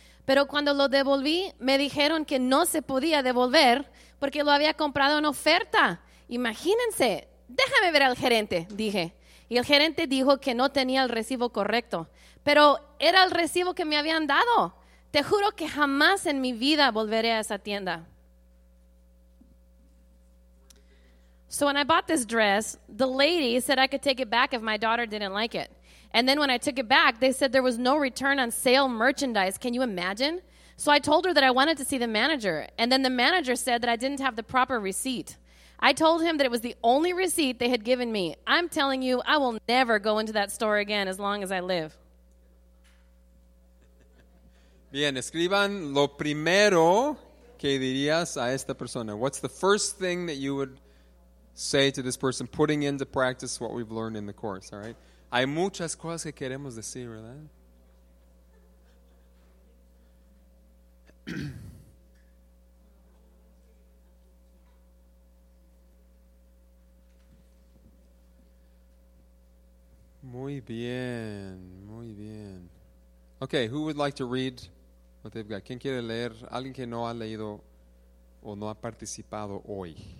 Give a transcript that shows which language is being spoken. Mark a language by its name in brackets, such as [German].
[Spanish] Pero cuando lo devolví, me dijeron que no se podía devolver porque lo había comprado en oferta. Imagínense, déjame ver al gerente, dije. Y el gerente dijo que no tenía el recibo correcto. Pero era el recibo que me habían dado. Te juro que jamás en mi vida volveré a esa tienda. [English] So when I bought this dress, the lady said I could take it back if my daughter didn't like it. And then when I took it back, they said there was no return on sale merchandise. Can you imagine? So I told her that I wanted to see the manager. And then the manager said that I didn't have the proper receipt. I told him that it was the only receipt they had given me. I'm telling you, I will never go into that store again as long as I live. [Spanish] Bien, escriban lo primero que dirías a esta persona. [English] What's the first thing that you would say to this person, putting into practice what we've learned in the course, all right? [Spanish] Hay muchas cosas que queremos decir, ¿verdad? Muy bien, muy bien. [English] Okay, who would like to read what they've got? [Spanish] ¿Quién quiere leer? Alguien que no ha leído o no ha participado hoy.